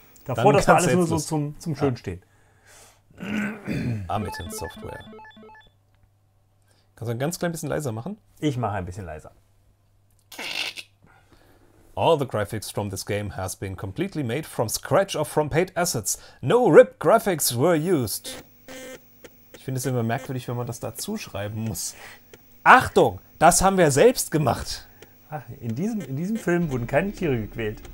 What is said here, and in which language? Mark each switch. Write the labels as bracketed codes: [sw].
[de] Davor, dass da alles nur so zum Schön steht. Amitan Software. Kannst du ein ganz klein bisschen leiser machen? Ich mache ein bisschen leiser. [en] All the graphics from this game has been completely made from scratch or from paid assets. No RIP graphics were used. [de] Ich finde es immer merkwürdig, wenn man das dazu schreiben muss. Achtung, das haben wir selbst gemacht. Ach, in diesem Film wurden keine Tiere gequält.